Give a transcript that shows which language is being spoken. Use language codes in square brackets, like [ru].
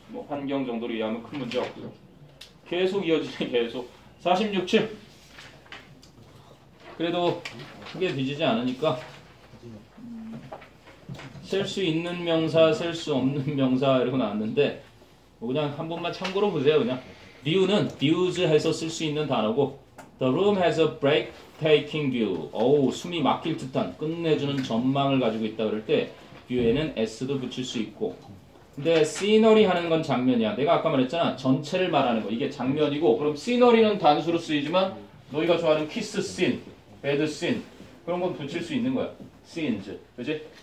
[ko] 뭐 환경 정도로 이해하면 큰 문제 없고요. 계속 이어지네, 계속. 46, 7. 그래도 크게 뒤지지 않으니까. 쓸 수 있는 명사, 쓸 수 없는 명사 이러고 나왔는데 그냥 한 번만 참고로 보세요. 그냥 view는 views 해서 쓸 수 있는 단어고, [en] the room has a breathtaking view. [ko] 어우, 숨이 막힐 듯한 끝내주는 전망을 가지고 있다 그럴 때 view에는 s도 붙일 수 있고. 근데 scenery 하는 건 장면이야. 내가 아까 말했잖아, 전체를 말하는 거. 이게 장면이고, 그럼 scenery는 단수로 쓰이지만 너희가 좋아하는 kiss scene, bed scene 그런 건 붙일 수 있는 거야. scenes, 그렇지?